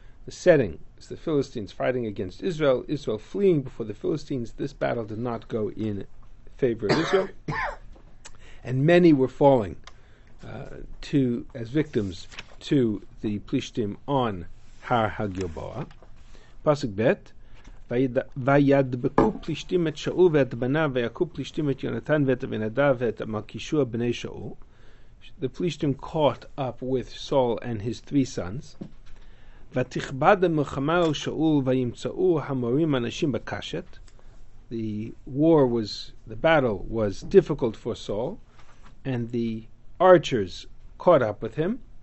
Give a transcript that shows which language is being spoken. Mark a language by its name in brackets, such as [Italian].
[English] The setting is the Philistines fighting against Israel. Israel fleeing before the Philistines. This battle did not go in favor of Israel. And many were falling as victims to the plishtim on har ha'gaboa. [Hebrew] Pasuk bet. וידבקו פלישתים את שאול ואת בניו ויקו פלישתים את יונתן ואת אבינדב ואת מלכישוע בני שאול. [English] The פלישתים caught up with Saul and his three sons. [Hebrew] ותכבד המלחמה על שאול וימצאו המורים אנשים בקשת. [English] The battle was difficult for Saul, and the archers caught up with him.